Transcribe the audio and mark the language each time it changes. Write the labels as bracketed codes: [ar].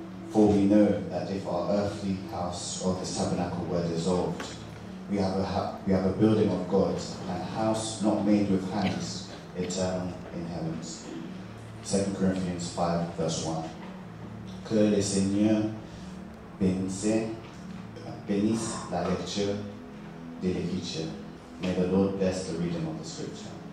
[en] For we know that if our earthly house or this tabernacle were dissolved, we have a building of God, a house not made with hands, eternal in heavens. 2 Corinthians 5, verse 1. [fr] Que le Seigneur bénisse la lecture de l'Écriture. [en] May the Lord bless the reading of the Scripture.